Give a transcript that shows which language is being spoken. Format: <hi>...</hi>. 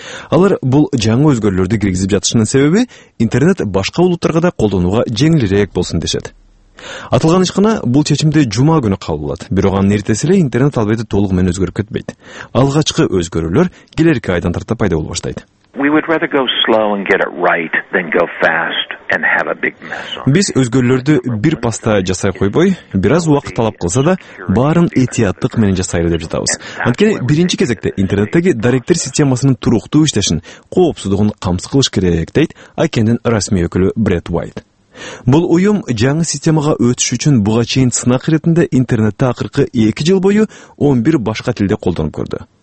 <ky>Алар бул жаңы өзгөрүүлөрдү киргизип жатышынын себеби интернет башка улуттарга да колдонууга жеңилирээк болсун дешет. Аталган ишкана бул чечимди жума күнү кабылдады, бирок анын эртеси эле интернет албетте толугу менен өзгөрүп кетпейт. Алгачкы өзгөрүүлөр келерки айдан тарта пайда боло баштайт.</ky> <en>We would rather go slow and get it right than go fast and have a big mess.</en> <ky>Биз өзгөрүүлөрдү бир паста жасай койбой, бир аз убакыт талап кылса да, баарын этияттык менен жасайлы деп жатабыз. Анткени биринчи кезекте интернеттеги даректер системасынын туруктуу иштешин, коопсуздугун камсыз кылыш керек дейт Айкендин расмий өкүлү Брэд Уайт. Бул уюм жаңы системага өтүш үчүн буга чейин сынак иретинде интернетти акыркы 2 жыл бою 11 башка тилде колдонуп көрдү.</ky>